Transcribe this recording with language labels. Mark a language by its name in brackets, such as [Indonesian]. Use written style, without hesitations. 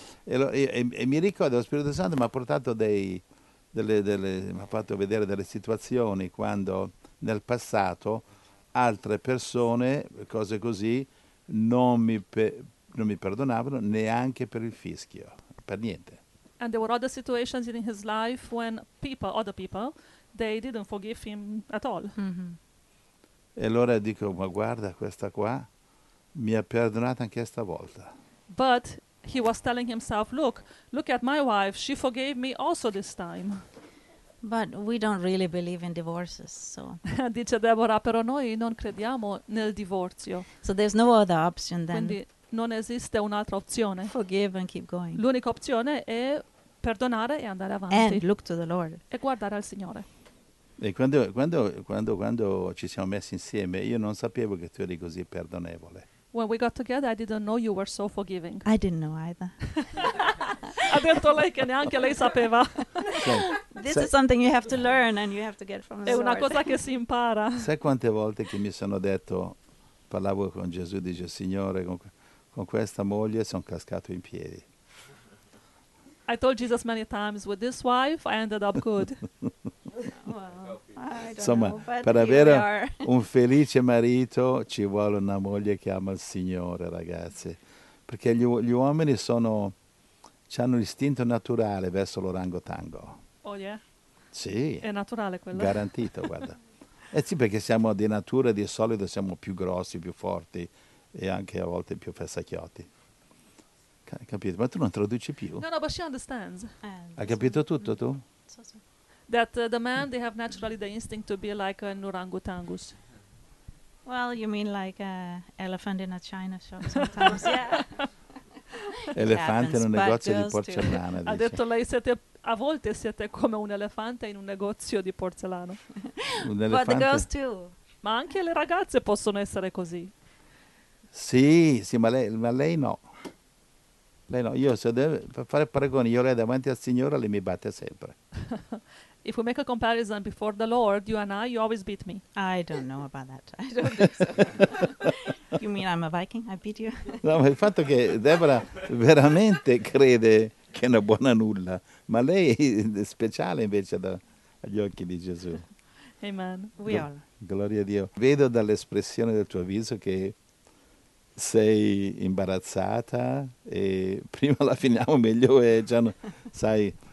[Italian] E mi ricordo, lo Spirito Santo mi ha portato mi ha fatto vedere delle situazioni quando nel passato altre persone, cose così, non mi perdonavano neanche per il fischio, per niente. [English] And there were other situations in his life when people, other people, they didn't forgive him at all. [Italian] E allora dico, ma guarda, questa qua mi ha perdonata anche stavolta. [English] But he was telling himself, look, look at my wife, she forgave me also this time. But we don't really believe in divorces, so. [Italian] Dice Deborah, però noi non crediamo nel divorzio. [English] So there's no other option then. [Italian] Quindi non esiste un'altra opzione. [English] Forgive and keep going. [Italian] L'unica opzione è perdonare e andare avanti. [English] And look to the Lord. [Italian] E guardare al Signore. E quando ci siamo messi insieme, io non sapevo che tu eri così perdonevole. [English] When we got together, I didn't know you were so forgiving. I didn't know either. [Italian] Ha detto lei che neanche lei sapeva. [English] This is something you have to learn and you have to get from the Lord. [Italian] È una cosa che si impara. Sai quante volte che mi sono detto, parlavo con Gesù, dice, Signore, con questa moglie sono cascato in piedi. [English] I told Jesus many times, with this wife, I ended up good. [Italian] Per avere un felice marito ci vuole una moglie che ama il Signore, ragazzi, perché gli uomini sono, hanno l'istinto naturale verso l'orangotango. [English] Oh yeah? [Italian] Sì. È naturale quello. Garantito, guarda. Eh sì, perché siamo di natura, di solito siamo più grossi, più forti e anche a volte più fessacchiotti. Capito? Ma tu non traduci più? [English] No, but she understands. [Italian] Hai capito tutto tu? [English] That the man, they have naturally the instinct to be like an orangutangus. Well, you mean like an elephant in a china shop sometimes, yeah. [Italian] Elefante in un negozio di porcellana, dice. Ha detto lei, siete, a volte siete come un elefante in un negozio di porcellana. Un elefante. [English] But the girls too. [Italian] Ma anche le ragazze possono essere così. Sì, sì, ma lei no. Lei no, io se deve fare paragoni, io lei davanti al Signore, lei mi batte sempre. [English] If we make a comparison before the Lord, you and I, you always beat me. I don't know about that. I don't think so. You mean I'm a Viking? I beat you? [Italian] No, ma il fatto che Deborah veramente crede che è una buona nulla, ma lei è speciale invece agli occhi di Gesù. [English] Amen. We all. [Italian] Gloria a Dio. Vedo dall'espressione del tuo viso che sei imbarazzata e prima la finiamo meglio e già no, sai...